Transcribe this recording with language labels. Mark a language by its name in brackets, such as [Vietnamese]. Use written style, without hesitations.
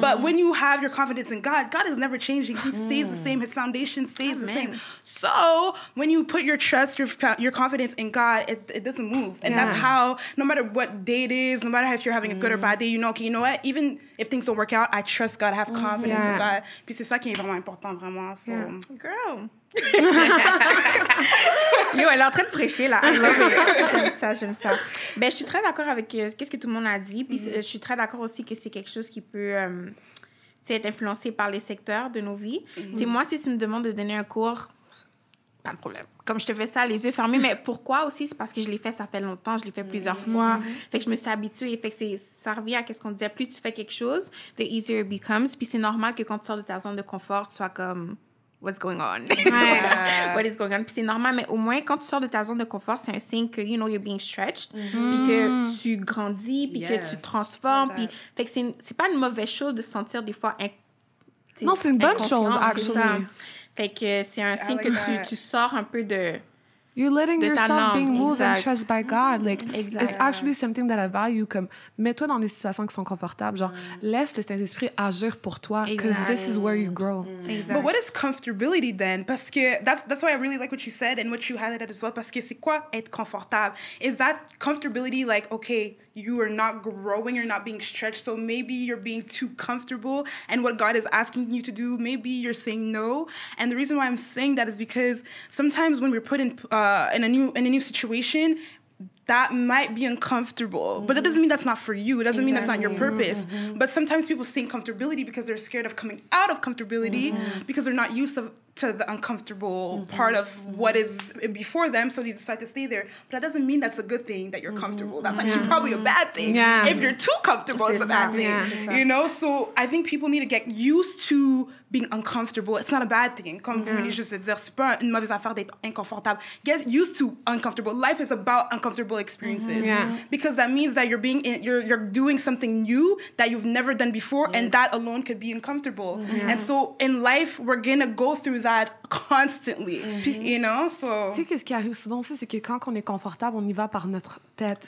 [English] But when you have your confidence in God, God is never changing. He stays the same. His foundation stays the same. So when you put your trust, your confidence in God, it doesn't move. And that's how no matter what day it is, no matter if you're having a good or bad day, you know, okay, you know what? Even if things don't work out, I trust God. I have confidence in God. [French] Puis c'est ça qui est vraiment important, vraiment. [English] So girl. [French] Yo, elle est en train de prêcher là. J'aime ça. Ben, je suis très d'accord avec qu'est-ce que tout le monde a dit. Puis, je suis très d'accord aussi que c'est quelque chose qui peut être influencé par les secteurs de nos vies. Tu sais, moi, si tu me demandes de donner un cours pas de problème. Comme je te fais ça, les yeux fermés. Mais pourquoi aussi? C'est parce que je l'ai fait, ça fait longtemps. Je l'ai fait plusieurs fois. Fait que je me suis habituée. Fait que c'est, ça revient à ce qu'on disait. Plus tu fais quelque chose, [English] the easier it becomes. [French] Puis c'est normal que quand tu sors de ta zone de confort, tu sois comme... [English] What's going on? What is going on? [French] Puis c'est normal, mais au moins, quand tu sors de ta zone de confort, c'est un signe que, [English] you know, you're being stretched, [French] puis que tu grandis, puis que tu transformes. Puis... Fait que c'est pas une mauvaise chose de sentir des fois... Non, c'est une bonne chose, actually. Fait que c'est un signe que tu sors un peu de... [English] You're letting yourself being moved and trusted by God. Like, it's actually something that I value. [French] Comme, mets-toi dans des situations qui sont confortables. Genre, laisse le Saint-Esprit agir pour toi. [English] Because this is where you grow. But what is comfortability then? [French] Parce que [English] that's why I really like what you said and what you highlighted as well. [French] Parce que c'est quoi être confortable? [English] Is that comfortability like, okay, you are not growing, you're not being stretched, so maybe you're being too comfortable and what God is asking you to do, maybe you're saying no. And the reason why I'm saying that is because sometimes when we're put in a new situation, that might be uncomfortable, but that doesn't mean that's not for you. It doesn't mean that's not your purpose. But sometimes people seek comfortability because they're scared of coming out of comfortability because they're not used to the uncomfortable part of what is before them, so they decide to stay there. But that doesn't mean that's a good thing that you're comfortable. That's actually probably a bad thing. Yeah. If you're too comfortable, it's a bad thing. Yeah. You know. So I think people need to get used to being uncomfortable. It's not a bad thing. [French] Comme vous venez juste de dire, c'est pas une mauvaise affaire d'être inconfortable. [English] Get used to uncomfortable. Life is about uncomfortable experiences. Because that means that you're doing something new that you've never done before, and that alone could be uncomfortable. And so in life, we're gonna go through that constantly. You know, so. [French] Tu sais qu'est-ce qui arrive souvent aussi, c'est que quand on est confortable, on y va par notre tête.